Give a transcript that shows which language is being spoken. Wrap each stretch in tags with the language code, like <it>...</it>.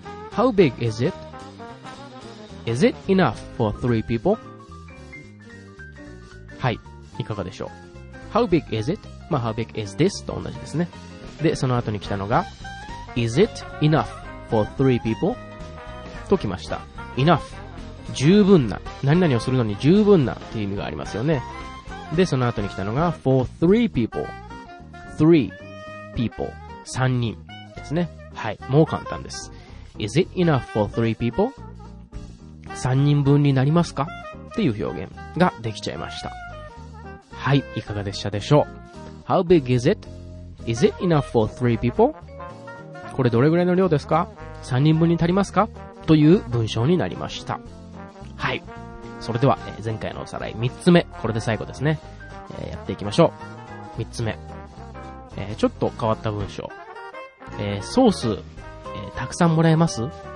<en>How big is it? Is it enough for three people?</en> <ja>はい、いかがでしょう。</ja> <en>How big is it? まあ How big is this?</en> <ja>と同じですね。でその後に来たのが</ja> <en>Is it enough for three people?</en> <ja>と来ました。 Enough、 十分な、何々をするのに十分なっていう意味がありますよね。でその後に来たのが</ja> <en>For three people、 Three people、</en> <ja>三人ですね。はい、もう簡単です。</ja> <en>Is it enough for three people?</en> <ja>三人分になりますか? っていう表現ができちゃいました。はい、いかがでしたでしょう。</ja> <en>How big is it? Is it enough for three people?</en> <ja>これどれぐらいの量ですか?3人分に足りますか?という文章になりました。はい、それでは前回のおさらい3つ目、これで最後ですね、やっていきましょう。 3つ目、ちょっと変わった文章、ソース、たくさんもらえます?</ja>